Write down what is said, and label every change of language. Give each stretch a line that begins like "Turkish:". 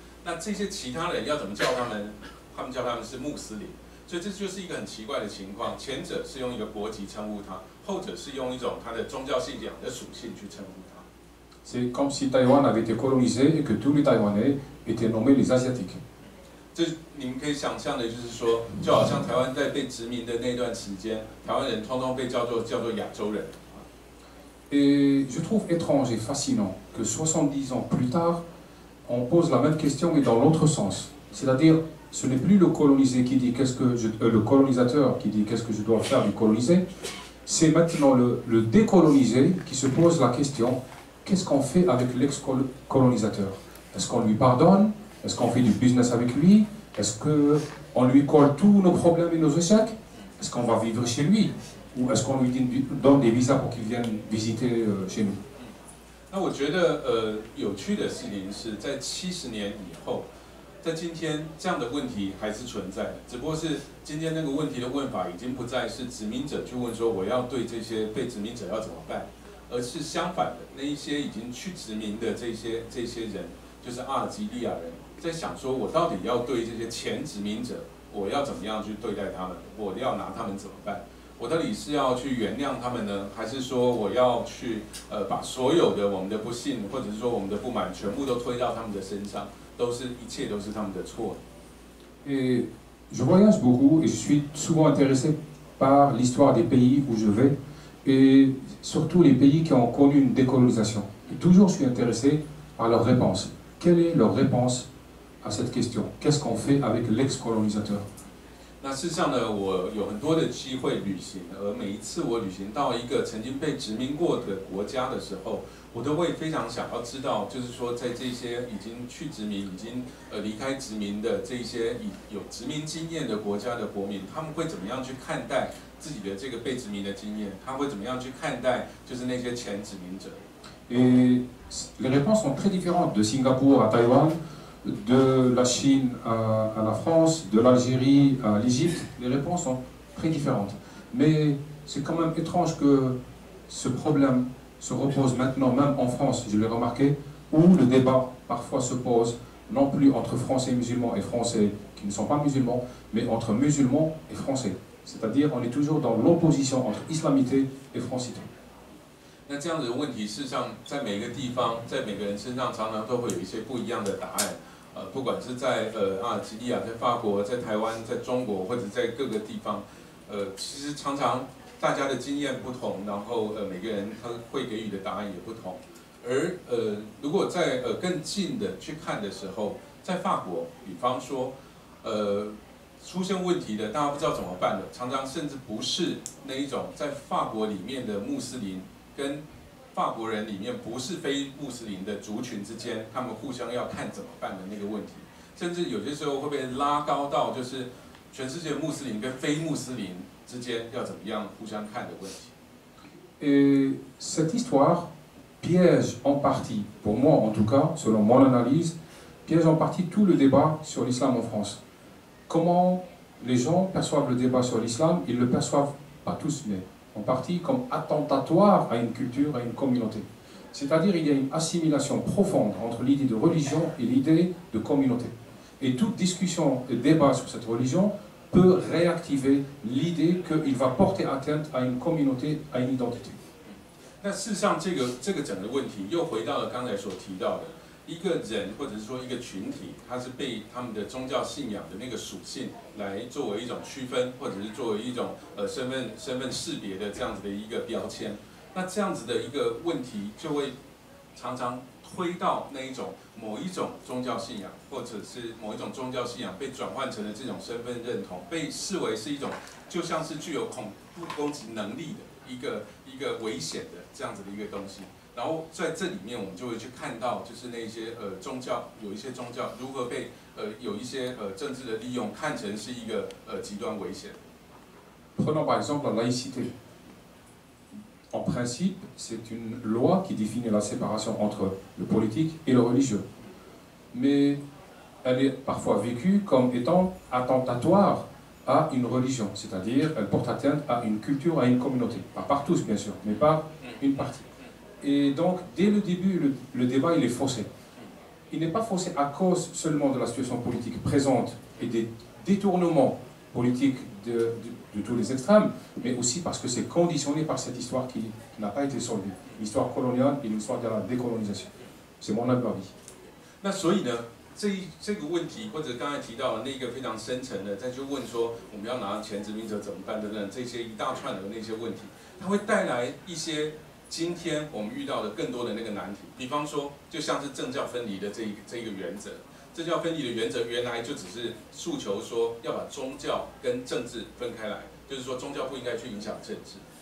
Chinese: 那这些其他人要怎么叫他们？他们叫他们是穆斯林。所以这就是一个很奇怪的情况，前者是用一个国籍称呼他，后者是用一种他的宗教信仰的属性去称呼他。
French: C'est comme si Taïwan avait été colonisé et que tous les Taïwanais étaient nommés les Asiatiques.
Chinese: 这你们可以想象的，就是说，就好像台湾在被殖民的那段时间，台湾人通通被叫做亚洲人。
French: Et je trouve étrange et fascinant que 70 ans plus tard, on pose la même question mais dans l'autre sens. C'est-à-dire, ce n'est plus le colonisateur qui dit qu'est-ce que je dois faire du colonisé, c'est maintenant le décolonisé qui se pose la question qu'est-ce qu'on fait avec l'ex-colonisateur? Est-ce qu'on lui pardonne? Est-ce qu'on fait du business avec lui? Est-ce qu'on lui colle tous nos problèmes et nos échecs? Est-ce qu'on va vivre chez lui? Ou est-ce qu'on lui donne des visas pour qu'il vienne visiter chez nous?
Chinese: 那我觉得有趣的事情是在70年以后，在今天这样的问题还是存在的，只不过是今天那个问题的问法已经不再是殖民者去问说我要对这些被殖民者要怎么办，而是相反的，那一些已经去殖民的这些人，就是阿尔及利亚人。在想说我到底要对这些前殖民者我要怎么样去对待他们，我要拿他们怎么办，我到底是要去原谅他们呢，还是说我要去把所有的我们的不幸或者是说我们的不满全部都推到他们的身上，都是一切都是他们的错。
French: Et je voyage beaucoup et je suis souvent intéressé par l'histoire des pays où je vais et surtout les pays qui ont connu une décolonisation. Et toujours je suis intéressé par leur réponse. Quelle est leur réponse à cette question? Qu'est-ce qu'on fait avec l'ex-colonisateur?
Chinese: 那事实上呢，我有很多的机会旅行，而每一次我旅行到一个曾经被殖民过的国家的时候，我都会非常想要知道，就是说在这些已经去殖民、已经离开殖民的这些有殖民经验的国家的国民，他们会怎么样去看待自己的这个被殖民的经验？他会怎么样去看待就是那些前殖民者
French: ？Et les réponses sont très différentes de Singapour à Taïwan. De la Chine à la France, de l'Algérie à l'Égypte, les réponses sont très différentes. Mais c'est quand même étrange que ce problème se repose maintenant, même en France, je l'ai remarqué, où le débat parfois se pose non plus entre Français musulmans et Français qui ne sont pas musulmans, mais entre musulmans et Français. C'est-à-dire qu'on est toujours dans l'opposition entre islamité et francité.
Chinese: 那这样子的问题，事实上在每个地方，在每个人身上，常常都会有一些不一样的答案。不管是在阿尔及利亚，在法国，在台湾，在中国，或者在各个地方，其实常常大家的经验不同，然后每个人他会给予的答案也不同。而如果在更近的去看的时候，在法国，比方说，出现问题的，大家不知道怎么办的，常常甚至不是那一种在法国里面的穆斯林。跟法国人里面不是非穆斯林的族群之间，他们互相要看怎么办的那个问题，甚至有些时候会被拉高到就是全世界穆斯林跟非穆斯林之间要怎么样互相看的问题。
French: Cette histoire piège en partie, pour moi en tout cas, selon mon analyse, piège en partie tout le débat sur l'islam en France. Comment les gens perçoivent le débat sur l'islam? Ils le perçoivent pas tous, mais. En partie comme attentatoire à une culture, à une communauté. C'est-à-dire qu'il y a une assimilation profonde entre l'idée de religion et l'idée de communauté. Et toute discussion et débat sur cette religion peut réactiver l'idée qu'il va porter atteinte à une communauté, à une identité.
Chinese: 那事实上，这个整个问题又回到了刚才所提到的，一个人或者是说一个群体，他是被他们的宗教信仰的那个属性来作为一种区分，或者是作为一种身份识别的这样子的一个标签。那这样子的一个问题就会常常推到那一种某一种宗教信仰，或者是某一种宗教信仰被转换成了这种身份认同，被视为是一种就像是具有恐怖攻击能力的一个危险的这样子的一个东西。然后在这里面，我们就会去看到，就是那些宗教，有一些宗教如何被有一些政治的利用，看成是一个极端危险。
French: Prenons par exemple la laïcité. En principe, c'est une loi qui définit la séparation entre le politique et le religieux. Mais elle est parfois vécue comme étant attentatoire à une religion, c'est-à-dire elle porte atteinte à une culture, à une communauté, pas par tous bien sûr, mais par une partie. Et donc, dès le début, le débat il est faussé. Il n'est pas faussé à cause seulement de la situation politique présente et des détournements politiques de tous les extrêmes, mais aussi parce que c'est conditionné par cette histoire qui n'a pas été solvée. L'histoire coloniale et l'histoire de la décolonisation. C'est mon avis.
Chinese: 那所以呢，这个问题，或者刚才提到的那个非常深层的，再去问说我们要拿前殖民者怎么办等等，这些一大串的那些问题，它会带来一些。今天我们遇到的更多的那个难题，比方说，就像是政教分离的这一个原则，政教分离的原则原来就只是诉求说要把宗教跟政治分开来，就是说宗教不应该去影响政治。